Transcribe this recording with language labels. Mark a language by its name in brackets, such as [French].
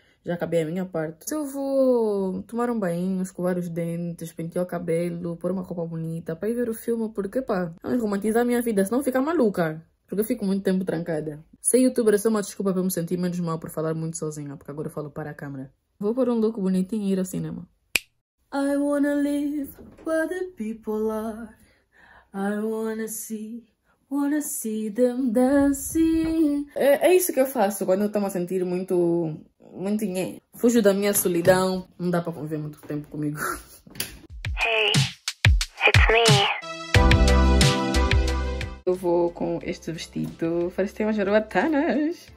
[Portuguese] Já acabei a minha parte. Se eu vou tomar um banho, escovar os dentes, pentear o cabelo, pôr uma roupa bonita para ir ver o filme, porque pá, vamos romantizar a minha vida, senão fica maluca. Porque eu fico muito tempo trancada. Ser youtuber é só uma desculpa para me sentir menos mal por falar muito sozinha, porque agora eu falo para a câmera. Vou pôr um look bonitinho e ir ao cinema. [English] I wanna live where the people are. I wanna see. Wanna see them dancing. [Portuguese] É isso que eu faço quando eu estou a sentir muito. Muito nhé. Fujo da minha solidão. Não dá para conviver muito tempo comigo. [English] Hey, it's me. [Portuguese] Eu vou com este vestido. Parece que tem umas jarabatanas.